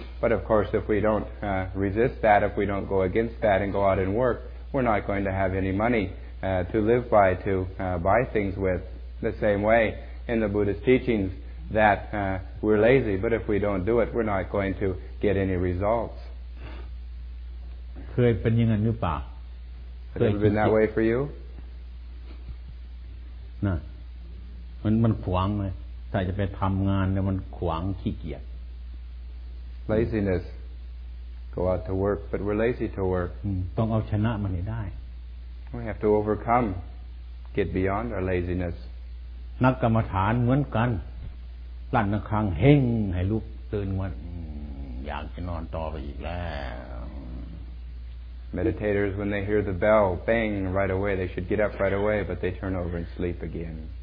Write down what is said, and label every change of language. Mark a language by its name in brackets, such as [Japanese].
[English] But of course, if we don't resist that, if we don't go against that and go out and work, we're not going to have any money to live by, to buy things with. The same way in the Buddhist teachings that we're lazy, but if we don't do it, we're not going to get any results. [Thai] เคยเป็นอย่างนั้นหรือเปล่า [English] Has it been that way for you? No. [Thai] มันขวางเลยถ้าจะไปทำงานเนี่ยมันขวางขี้เกียจ [English] laziness go out to work but we're lazy to work [Thai] ต้องเอาชนะมันให้ได้ [English] we have to overcome get beyond our laziness [Thai] นักกรรมฐานเหมือนกันลั่นระฆังเฮงให้ลุกตื่นว่าอยากจะนอนต่อไปอีกแล้ว [English] meditators when they hear the bell bang right away they should get up right away but they turn over and sleep again